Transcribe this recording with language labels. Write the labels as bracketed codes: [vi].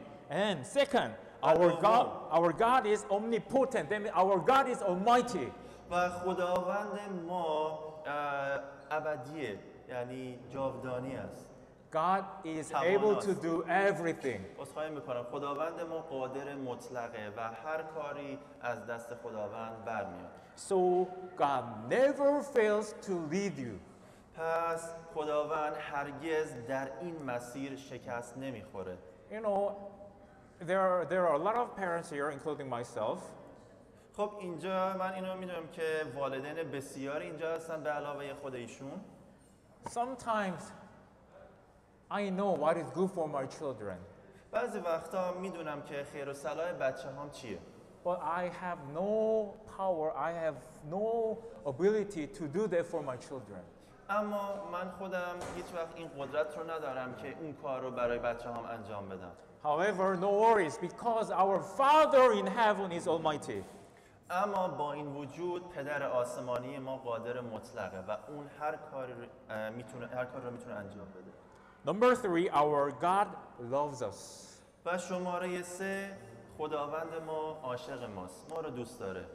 [en] And second, our God is omnipotent. That means our God is almighty. [fa] و خداوند ما ابدیه، یعنی جاودانی است. [en] God is able to do everything. اصخایی میکنم. [fa] خداوند ما قادر مطلقه و هر کاری از دست خداوند برمیاد. [en] So God never fails to lead you. [fa] پس خداوند هرگز در این مسیر شکست نمیخوره. [en] You know, there are a lot of parents here, including myself. [fa] خب اینجا من اینو میدونم که والدین بسیار اینجا هستن به علاوه خود ایشون. [en] Sometimes I know what is good for my children. [fa] بعضی وقتا میدونم که خیر و صلاح بچه‌هام چیه. [en] But I have no power, I have no ability to do that for my children. [fa] اما من خودم هیچ وقت این قدرت رو ندارم که اون کار رو برای بچه‌هام انجام بدم. [en] However, no worries because our Father in heaven is almighty. [fa] اما با این وجود پدر آسمانی ما قادر مطلقه و اون هر کار رو میتونه انجام بده. [en] Number 3, our God loves us. [fa] و شماره 3, خداوند ما عاشق ماست. ما رو دوست داره.